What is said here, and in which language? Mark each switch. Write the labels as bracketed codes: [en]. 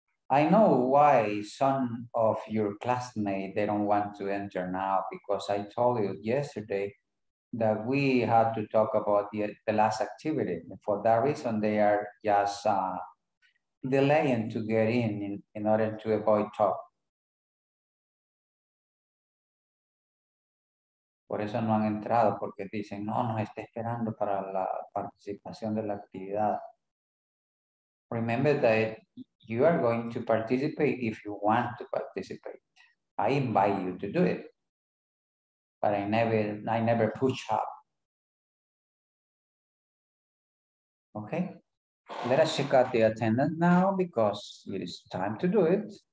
[en] I know why some of your classmates, they don't want to enter now, because I told you yesterday that we had to talk about the last activity. For that reason, they are just delaying to get in order to avoid talk. [es] Por eso no han entrado, porque dicen, no, nos está esperando para la participación de la actividad. [en] Remember that you are going to participate if you want to participate. I invite you to do it. But I never push up. Okay. Let us check out the attendance now because it is time to do it.